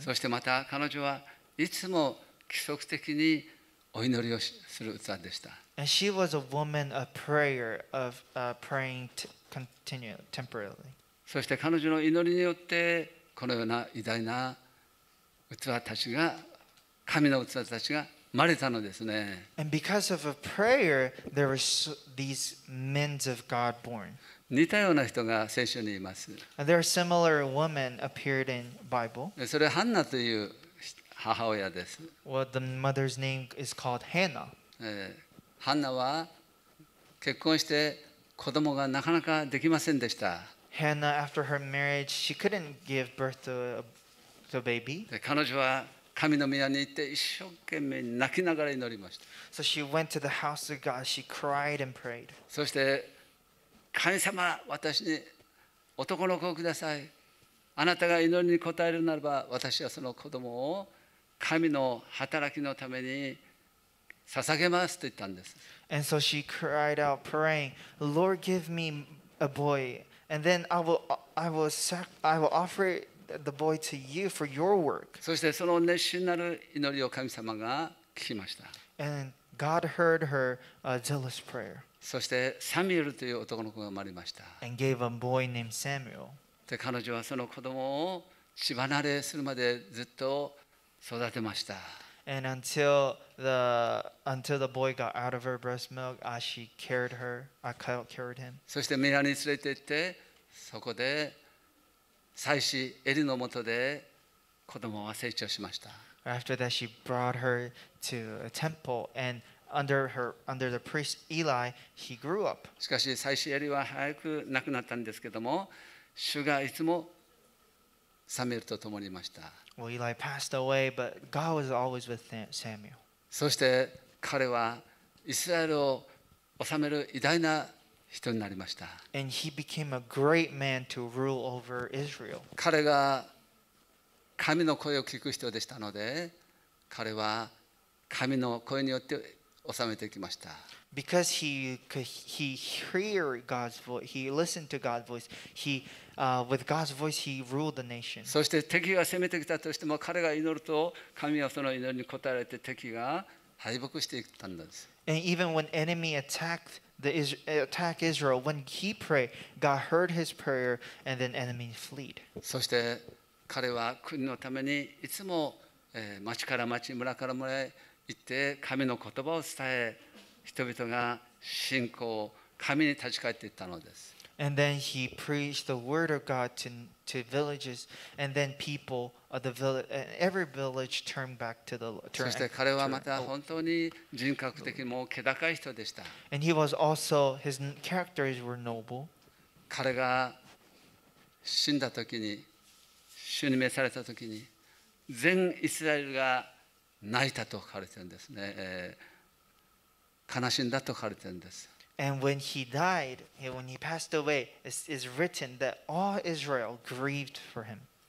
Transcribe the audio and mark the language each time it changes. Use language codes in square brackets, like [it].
[ja] そしてまた彼女はいつも規則的にお祈りをする器でした。 [en] And she was a woman of prayer, of praying continually, temporarily. [ja] そして彼女の祈りによってこのような偉大な器たちが、神の器たちが生まれたのですね。 [en] And because of a prayer, there were these men of God born. [ja] 似たような人が聖書にいます。 [en] And there are similar women appeared in Bible. [ja] それはハンナという母親です。 [en] Well, the mother's name is called Hannah. [ja] ハンナは結婚して子供がなかなかできませんでした。 [en] Hannah, after her marriage, she couldn't give birth to a baby. [ja] 彼女は神の宮に行って一生懸命泣きながら祈りました。 [en] So she went to the house of God. She cried and prayed. [ja] そして神様、私に男の子をください。あなたが祈りに応えるならば、私はその子供を神の働きのために捧げますと言ったんです。 [en] And so she cried out, praying, "Lord, give me a boy, and then I will offer the boy to you for your work." [ja] そしてその熱心なる祈りを神様が聞きました。 [en] And God heard her zealous prayer. [ja] そしてサミュエルという男の子が生まれました。 [en] And gave a boy named Samuel. [ja] で彼女はその子供を血離れするまでずっと育てました。 [en] And until the boy got out of her breast milk, she carried her. I carried him. [ja] そして宮に連れて行って、そこで祭司エリの元で子供は成長しました。 [en] After that, she brought her to a temple, and under the priest Eli, he grew up. [ja] しかし祭司エリは早く亡くなったんですけども、主がいつもサミュエルと共にいました。 [en] Well, Eli passed away, but God was always with Samuel. [ja] そして彼はイスラエルを治める偉大な人になりました。 [en] And he became a great man to rule over Israel. [ja] 彼が神の声を聞く人でしたので、彼は神の声によって治めてきました。 [en] Because he hear God's voice, he listened to God's voice. With God's voice, he ruled the nation. [ja] そして敵が攻めてきたとしても、彼が祈ると神はその祈りに応えられて敵が敗北していったんです。 [en] And even when enemy attacked Israel, when he prayed, God heard his prayer, and then enemy fled. [ja] そして彼は国のためにいつも町から町、村から村へ行って神の言葉を伝え、人々が信仰、神に立ち返っていったのです。 [en] And then he preached the word of God to villages, and then people of the village, every village turned back to the Lord. [ja] そして彼はまた本当に人格的にも気高い人でした。 [en] And he was also, his characters were noble. [ja] 彼が死んだ時に、主に召された時に、全イスラエルが泣いたと書かれてるんですね。悲しんだと書かれてるんです。 [en] And when he died, when he passed away, it's written that all Israel grieved for him.